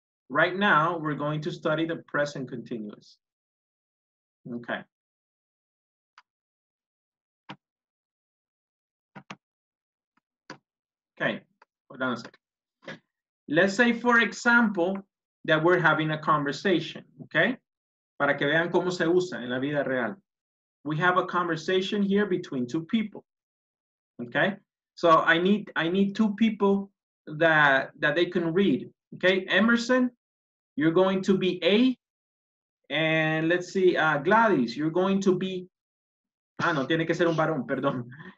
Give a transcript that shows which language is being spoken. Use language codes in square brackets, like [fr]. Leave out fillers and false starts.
[en] Right now, we're going to study the present continuous, okay? Okay, hold on a second. Let's say, for example, that we're having a conversation, okay? [es] Para que vean cómo se usa en la vida real. [en] We have a conversation here between two people, okay? So I need two people that they can read, okay? Emerson, you're going to be A. And let's see, Gladys, you're going to be... [es] Ah, no, tiene que ser un varón, perdón.